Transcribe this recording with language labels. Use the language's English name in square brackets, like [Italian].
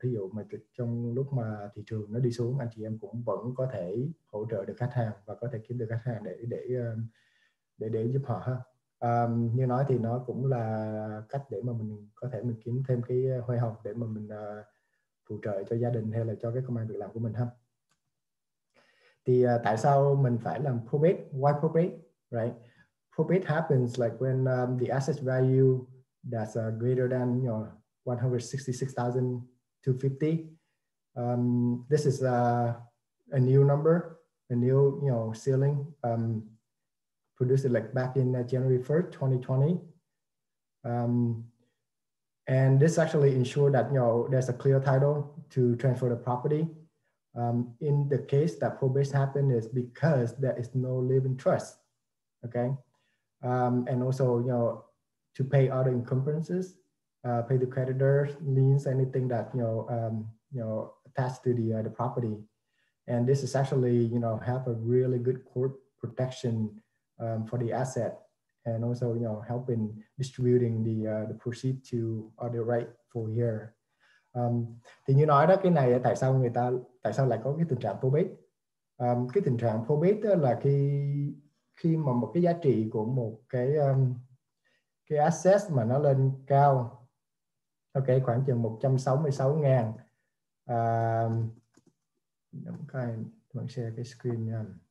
[Vietnamese] Thí dụ mà trong lúc mà thị trường nó đi xuống, anh chị em cũng vẫn có thể hỗ trợ được khách hàng và có thể kiếm được khách hàng để giúp họ ha. Như nói thì nó cũng là cách để mà mình có thể mình kiếm thêm cái hoa hồng để mà mình phụ trợ cho gia đình hay là cho cái công ăn việc làm của mình ha. Thì tại sao mình phải làm probate? [English] Why probate? Right? Probate happens like when the asset value that's greater than your 166,250. This is a new number, a new ceiling. Produced like back in January 1st, 2020. And this actually ensured that there's a clear title to transfer the property. In the case that probate happened is because there is no living trust. Okay. And also, to pay other encumbrances, pay the creditors, liens, anything that attached to the property. And this is actually, have a really good court protection for the asset, and also helping distributing the proceeds to other rightful heir. [Vietnamese] Thì như nói đó, cái này tại sao người ta, tại sao lại có cái tình trạng probate? Cái tình trạng probate là khi mà một cái giá trị của một cái asset mà nó lên cao, ok, khoảng chừng 166.000, đóng cái bạn share cái screen nha.